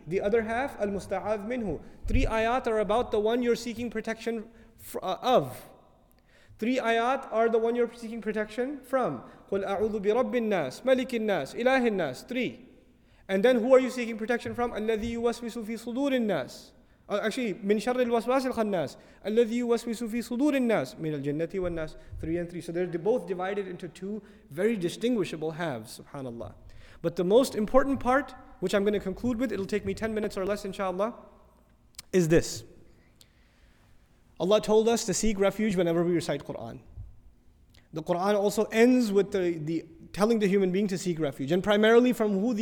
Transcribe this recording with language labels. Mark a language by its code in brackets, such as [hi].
[en] The other half, al-musta'adh minhu. Three ayat are about the one you're seeking protection of. Three ayat are the one you're seeking protection from. [ar] قُلْ أَعُوذُ بِرَبِّ النَّاسِ مَلِكِ النَّاسِ إِلَهِ النَّاسِ. [en] Three. And then who are you seeking protection from? [ar] الَّذِي يُوَسْوِسُ فِي صُدُورِ النَّاسِ. [en] Actually, [ar] مِنْ شَرِّ الْوَسْوَاسِ الْخَنَّاسِ الَّذِي يُوَسْوِسُ فِي صُدُورِ النَّاسِ مِنَ الْجَنَّةِ وَالنَّاسِ. [en] 3 and 3. So they're both divided into two very distinguishable halves, subhanAllah. But the most important part, which I'm going to conclude with, it'll take me 10 minutes or less, inshallah, is this. Allah told us to seek refuge whenever we recite Qur'an. The Qur'an also ends with the telling the human being to seek refuge, and primarily from who?